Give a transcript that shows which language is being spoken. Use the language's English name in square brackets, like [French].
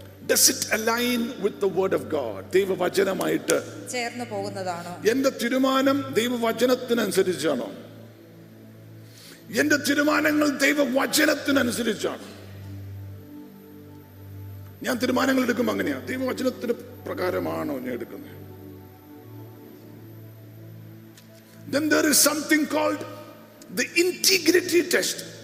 [English] Does it align with the word of God? [Malayalam] ദൈവ വചനമായിട്ട് ചേർന്നു പോകുന്നതാണോ? എന്റെ തീരുമാനം ദൈവ വചനത്തിനനുസരിച്ചാണോ? എന്റെ തീരുമാനങ്ങൾ ദൈവ വചനത്തിനനുസരിച്ചാണ്? ഞാൻ തീരുമാനങ്ങൾ എടുക്കുമ്പോ അങ്ങനെയാ, ദൈവ വചനത്തിന് പ്രകാരമാണോ ഞാൻ എടുക്കുന്നത്? [English] Then there is something called the integrity test.